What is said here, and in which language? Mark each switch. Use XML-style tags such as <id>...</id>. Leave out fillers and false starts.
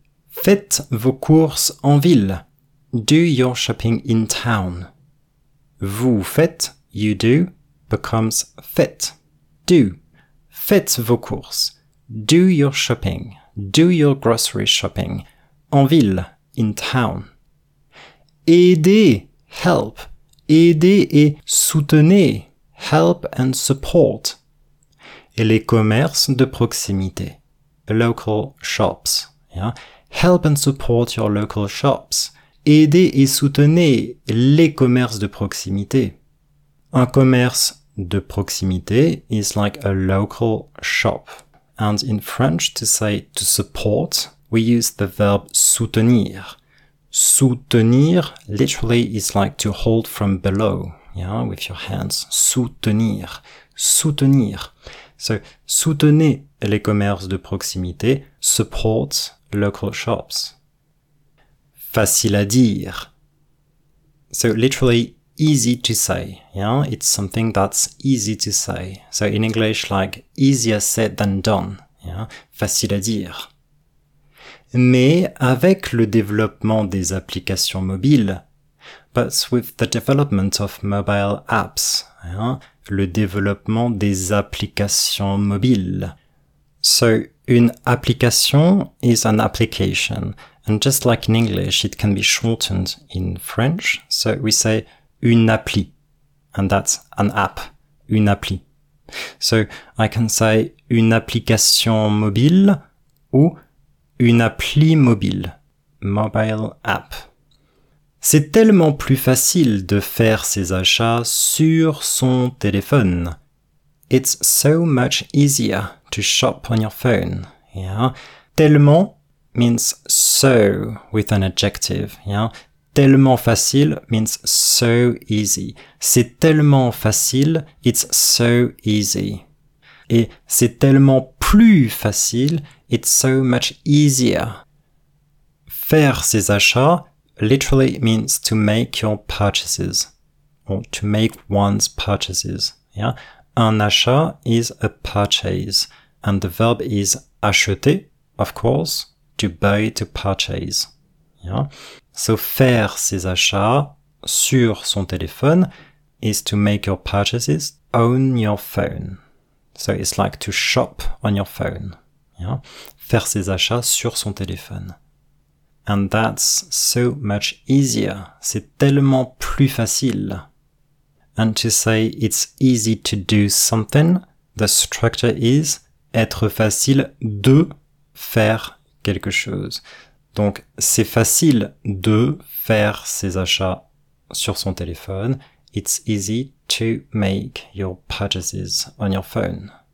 <fr>Faites vos courses en ville.</fr> <en>Do your shopping in town. Vous faites, you do, becomes faites, do.</en> <fr>Faites vos courses.</fr> <en>Do your shopping. Do your grocery shopping. En ville, in town. Aidez, help.</en> <fr>Aidez et soutenez.</fr> <en>Help and support.</en> <fr>Et les commerces de proximité. Local shops. Yeah.</fr> <en>Help and support your local shops.</en> <fr>Aidez et soutenez les commerces de proximité.</fr> <en>Un commerce de proximité is like a local shop. And in French, to say to support, we use the verb soutenir. Soutenir literally is like to hold from below, yeah, with your hands. Soutenir. Soutenir. So,</en> <fr>soutenez les commerces de proximité,</fr> <en>support local shops. Facile à dire. So, literally, easy to say. Yeah, it's something that's easy to say. So in English, like easier said than done. Yeah, facile à dire.</en> <fr>Mais avec le développement des applications mobiles,</fr> <en>but with the development of mobile apps,</en> <fr>hein, le développement des applications mobiles.</fr> <en>So, une application is an application. And just like in English, it can be shortened in French. So we say une appli. And that's an app. Une appli. So I can say une application mobile ou une appli mobile. Mobile app.</en> <fr>C'est tellement plus facile de faire ses achats sur son téléphone.</fr> <en>It's so much easier to shop on your phone. Yeah. Tellement means so with an adjective. Yeah. Tellement facile means so easy.</en> <fr>C'est tellement facile.</fr> <en>It's so easy.</en> <fr>Et c'est tellement plus facile.</fr> <en>It's so much easier. Faire ses achats literally means to make your purchases, or to make one's purchases. Yeah, un achat is a purchase, and the verb is acheter, of course, to buy, to purchase. Yeah, so</en> <fr>faire ses achats sur son téléphone</fr> <en>is to make your purchases on your phone. So it's like to shop on your phone. Yeah,</en> <fr>faire ses achats sur son téléphone.</fr> <en>And that's so much easier.</en> <fr>C'est tellement plus facile.</fr> <en>And to say it's easy to do something, the structure is être facile de faire quelque chose.</en> <fr>Donc, c'est facile de faire ses achats sur son téléphone.</fr> <en>It's easy to make your purchases on your phone.</en>